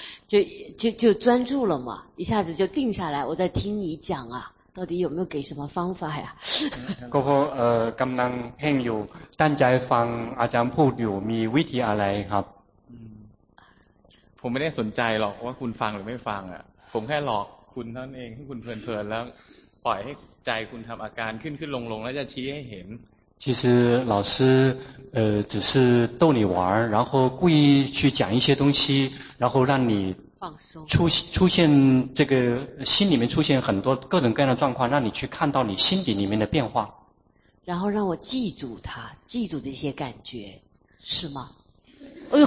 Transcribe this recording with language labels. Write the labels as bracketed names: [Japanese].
[Chinese] 就专注了嘛一下子就定下来我在听你讲啊到底有没有给什么方法呀 [Thai] ก็เพราะกำลังเพ่งอยู่ตั้งใจฟังอาจารย์พูดอยู่มีวิธีอะไรครับ ผมไม่ได้สนใจหรอกว่าคุณฟังหรือไม่ฟังอ่ะผมแค่หลอกคุณเท่านั้นเองให้คุณเพลินๆแล้วปล่อยให้ใจคุณทำอาการขึ้นขึ้นลงลงแล้วจะชี้ให้เห็น [Chinese] 其实老师只是逗你玩然后故意去讲一些东西然后让你放松出现这个心里面出现很多各种各样的状况让你去看到你心底里面的变化然后让我记住它记住这些感觉是吗哎呦